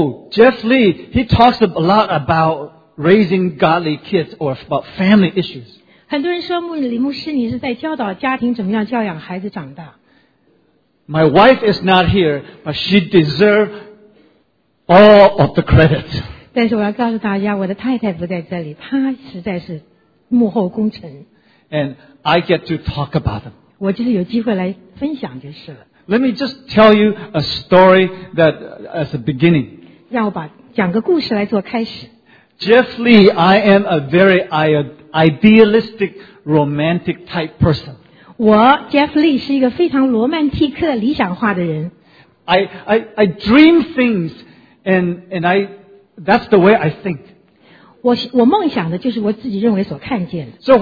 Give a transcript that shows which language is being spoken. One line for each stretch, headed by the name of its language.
English: Jeff Lee, he talks a lot about raising godly kids or about family issues.
Chinese: 很多人说牧李牧师，你是在教导家庭怎么样教养孩子长大。
English: My wife is not here, but she deserves all of the credit.
Chinese: 但是我要告诉大家，我的太太不在这里，她实在是幕后功臣。
English: And I get to talk about them.
Chinese: 我就是有机会来分享就是了。
English: Let me just tell you a story that as a beginning.
Chinese: 让我把讲个故事来做开始。
English: Jeff Lee, I am a very idealistic, romantic type person.
Chinese: 我 Jeff Lee 是一个非常罗曼蒂克理想化的人。
English: I dream things, and I that's the way I think.
Chinese: 我梦想的就是我自己认为所看见的。